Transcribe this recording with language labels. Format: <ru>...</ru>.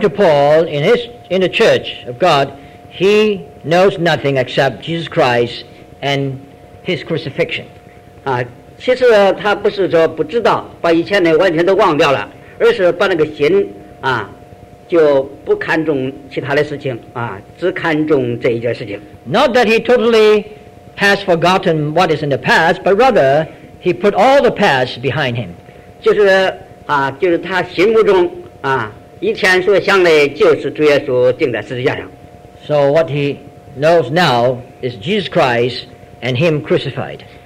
<en>to Paul, in the church of God, he knows nothing except Jesus Christ and his crucifixion.</en> <zh>其实他不是说不知道，把以前的完全都忘掉了，而是把那个心。就不看重其他的事情，只看重这一件事情。</zh> <en>Not that he totally has forgotten what is in the past, but rather he put all the past behind him.</en> <zh>就是他心目中以前所想的就是主耶稣钉在十字架上。</zh> <en>So what he knows now is Jesus Christ and him crucified.</en>